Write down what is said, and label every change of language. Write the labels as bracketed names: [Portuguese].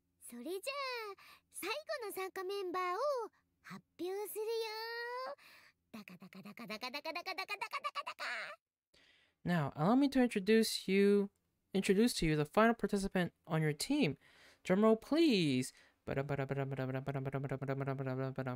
[Japanese] それじゃあ最後の参加メンバーを発表するよ。ダカダカダカダカダカダカダカダカダカダカ。 [English] Now, allow me to introduce to you the final participant on your team. Drum roll, please. バラバラバラバラバラバラバラバラバラバラバラバラバラ。